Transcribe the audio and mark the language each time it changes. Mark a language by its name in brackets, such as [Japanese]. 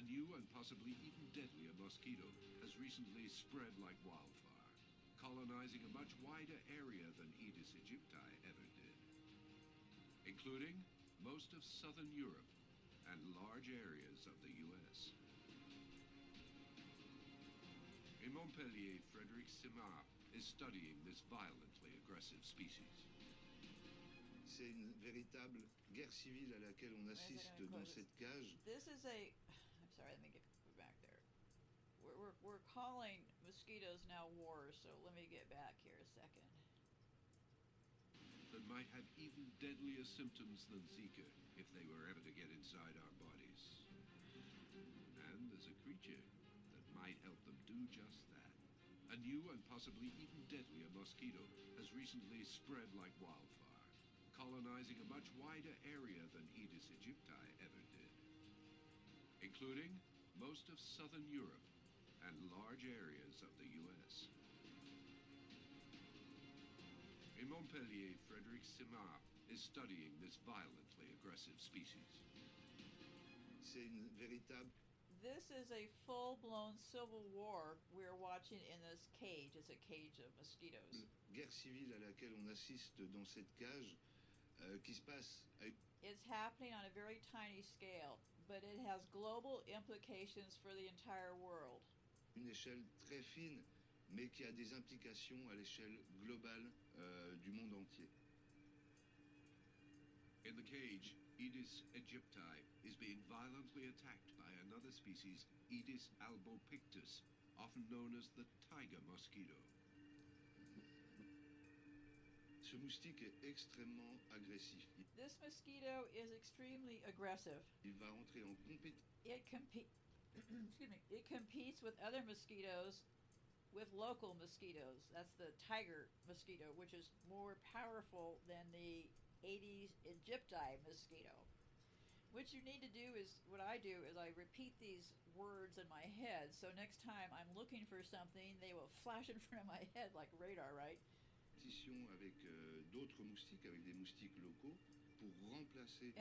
[English] A new and possibly even deadlier mosquito has recently spread like wildfire, colonizing a much wider area than Aedes aegypti ever did, including most of southern Europe and large areas of the U.S. In Montpellier, Frederick Simard is studying this violently aggressive species. [French] C'est une véritable guerre civile à laquelle on assiste dans cette cage. [English] This is a, I'm sorry, let me get back there. We're calling mosquitoes now wars, so let me get back here a second. That might have even deadlier symptoms than Zika if they were ever to get inside our bodies. And there's a creature that might help them do just that. A new and possibly even deadlier mosquito has recently spread like wildfire, colonizing a much wider area than Aedes aegypti ever did, including most of southern Europe and large areas of the U.S. In Montpellier, Frederick Simard is studying this violently aggressive species. This is a full-blown civil war we're watching in this cage. It's a cage of mosquitoes. [French] Guerre civile à laquelle on assiste dans cette cage, qui se passe. [English] It's happening on a very tiny scale, but it has global implications for the entire world. [French] Une échelle très fine, mais qui a des implications à l'échelle globale du monde entier. [English] In the cage, Aedes aegypti is being violently attacked by another species, Aedes albopictus, often known as the tiger mosquito. [French] Ce moustique est extrêmement agressif. [English] This mosquito is extremely aggressive. [French] Il va entrer en compétition. [English] It competes with other mosquitoes, with local mosquitoes. That's the tiger mosquito, which is more powerful than the Aedes aegypti mosquito. What you need to do is, what I do is I repeat these words in my head, so next time I'm looking for something, they will flash in front of my head like radar, right? [French] Avec d'autres moustiques, avec des moustiques locaux, pour remplacer.